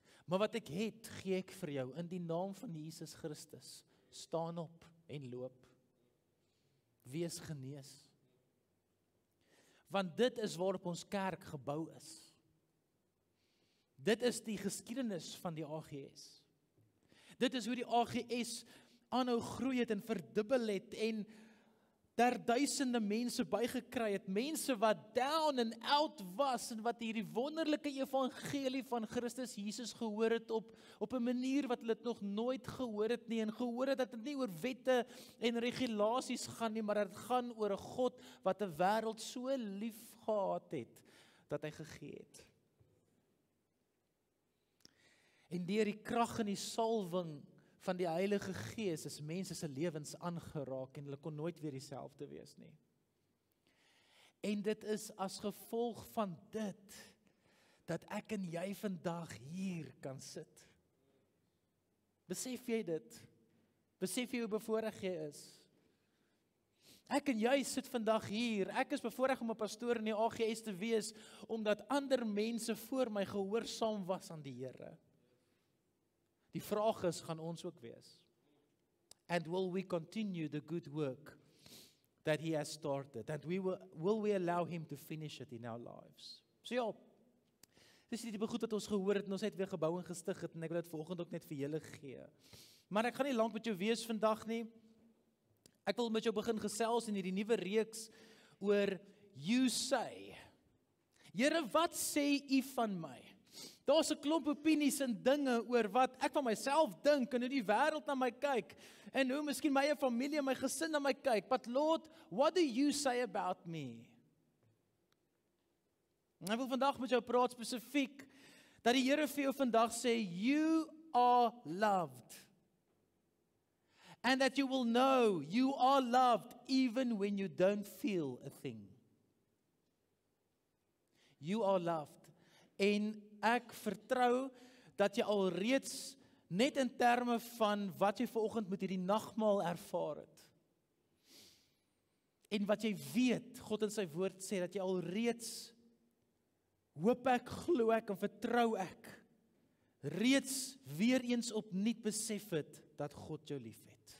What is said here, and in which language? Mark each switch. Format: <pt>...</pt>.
<af>Maar wat ek het, gee ek vir jou in die naam van Jesus Christus. Staan op en loop. Wees genees. Want dit is waarop ons kerk gebou is. Dit is die geskiedenis van die AGS. Dit is hoe die AGS aanhou groei het en verdubbel het en daar duisende mense bygekry het, mense wat</af> <en>down and out</en> <af>was, en wat hierdie wonderlike evangelie van Christus Jesus gehoor het, op 'n manier wat hulle nog nooit gehoor het nie, en gehoor het dat het nie oor wette en regulasies gaan nie, maar het gaan oor 'n God wat 'n wêreld so lief gehad het, dat hy gegee het. En deur die krag en die salwing van die Heilige Gees is mense se lewens aangeraak en hulle kon nooit weer dieselfde wees nie. En dit is as gevolg van dit dat ek en jy vandag hier kan sit. Besef jy dit? Besef jy hoe bevoorreg jy is? Ek en jy sit vandag hier. Ek is bevoorreg om 'n pastoor in die AGS te wees omdat ander mense voor my gehoorsaam was aan die Here. Die vraag is, gaan ons ook wees?</af> <en>And will we continue the good work that he has started? And will we allow him to finish it in our lives?</en> <af>So ja, dis die tipe goed wat ons gehoor het en ons het weer gebou en gestig het en ek wil dit volgende ook net vir julle gee. Maar ek gaan nie lank met jou wees vandag nie. Ek wil met jou begin gesels in hierdie nuwe reeks oor You Say. Here, wat sê u van my? Daar's 'n klomp opinies en dinge oor wat ek van myself dink en hoe die wêreld na my kyk en hoe miskien my familie en my gesin na my kyk.</af> <en>But Lord, what do you say about me?</en> <af>En ek wil vandag met jou praat spesifiek dat die Here vir jou vandag sê</af> <en>you are loved. And that you will know you are loved even when you don't feel a thing. You are loved.</en> <af>En ek vertrou dat jy alreeds net in terme van wat jy vanoggend met hierdie nagmaal ervaar het. En wat jy weet, God in sy woord sê dat jy alreeds hoop ek, glo ek en vertrou ek reeds weer eens opnuut besef het dat God jou liefhet.</af>